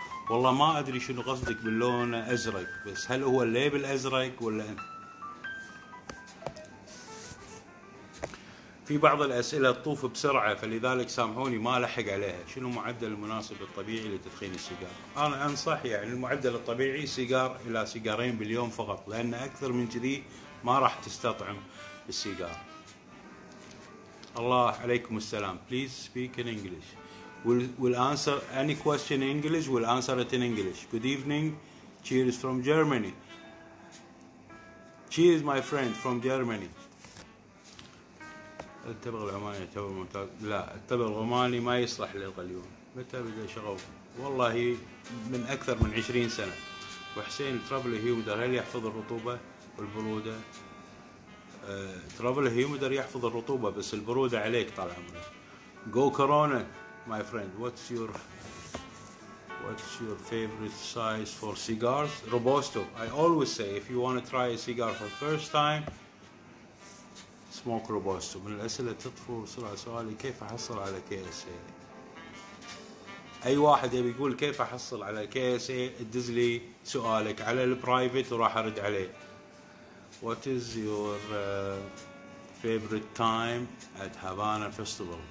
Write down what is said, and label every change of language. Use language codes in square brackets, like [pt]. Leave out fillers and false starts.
[ar] والله ما أدري شنو قصدك باللون أزرق، بس هل هو الليبل أزرق ولا أنت؟ في بعض الأسئلة تطوف بسرعة، فلذلك سامحوني ما لحق عليها. شنو معدل المناسب الطبيعي لتدخين السيجار؟ أنا أنصح يعني المعدل الطبيعي سيجار إلى سيجارين باليوم فقط، لأن أكثر من كذي ما راح تستطعم السيجار. الله عليكم السلام. [en] Please speak in English. We'll answer any question in English. We'll answer it in English. Good evening. Cheers from Germany. Cheers my friend from Germany. [ar] التبغ العماني تبغ ممتاز. لا، التبغ العماني ما يصلح للغليون. متى بدأ شغوف؟ والله من أكثر من 20 سنة. وحسين ترابل هيومد هل يحفظ الرطوبة والبرودة؟ ترابل هيومد يحفظ الرطوبة، بس البرودة عليك طال عمرك. [en] Go Corona my friend. What's your favorite size for cigars? Robusto. I always say if you want to try a cigar for the first time, smoke Robusto. [ar] من الأسئلة تطفو بسرعة. سؤالي كيف أحصل على KSA؟ أي واحد يبي يقول كيف أحصل على KSA ادز لي سؤالك على البرايفت وراح أرد عليه. [en] What is your favorite time at Havana Festival?